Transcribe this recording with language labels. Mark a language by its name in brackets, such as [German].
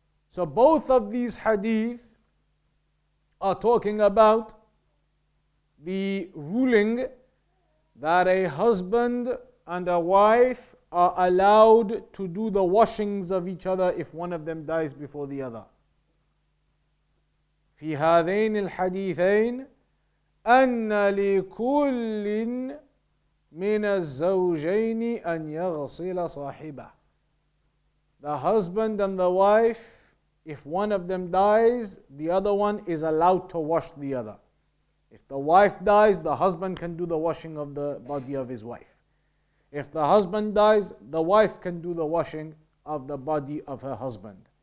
[English] So both of these hadith are talking about the ruling that a husband and a wife are allowed to do the washings of each other if one of them dies before the other. [Arabic] في هذين الحديثين أن لكل من الزوجين أن يغسل صاحبه. [English] The husband and the wife, if one of them dies, the other one is allowed to wash the other. If the wife dies, the husband can do the washing of the body of his wife. If the husband dies, the wife can do the washing of the body of her husband.